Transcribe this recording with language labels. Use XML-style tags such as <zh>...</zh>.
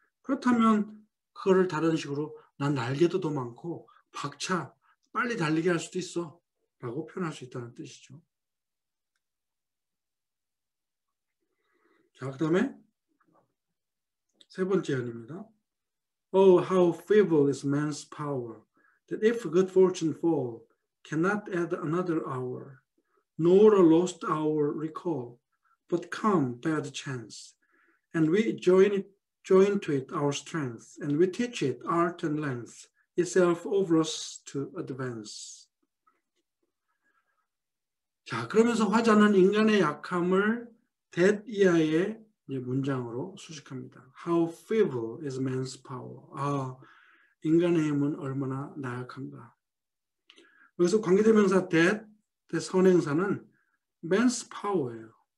<ko>그렇다면 그거를 다른 식으로 난 날개도 더 많고 박차 빨리 달리게 할 수도 있어 라고 표현할 수 있다는 뜻이죠. 자, 그다음에 세 번째 연입니다.</ko> <en>Oh, how feeble is man's power, that if good fortune fall, cannot add another hour, nor a lost hour recall, but come bad chance, and we join to it our strength, and we teach it art and length itself over us to advance.</en> <ko>자, 그러면서 화자는 인간의 약함을 that 이하의 문장으로 수식합니다.</ko> <en>How feeble is man's power?</en> <ko>아, 인간의 힘은 얼마나 나약한가? 여기서 관계대명사 대 선행사는 mans power예요.</ko>